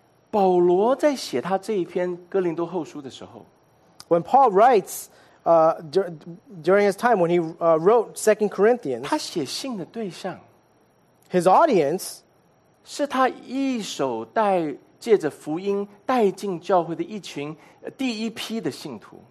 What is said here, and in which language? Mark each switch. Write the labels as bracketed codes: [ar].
[zh] 保罗在写他这一篇哥林多后书的时候， [en] When Paul writes during his time when he wrote 2 Corinthians, [zh] 他写信的对象， [en] his audience, [zh] 是他一手带借着福音带进教会的一群第一批的信徒。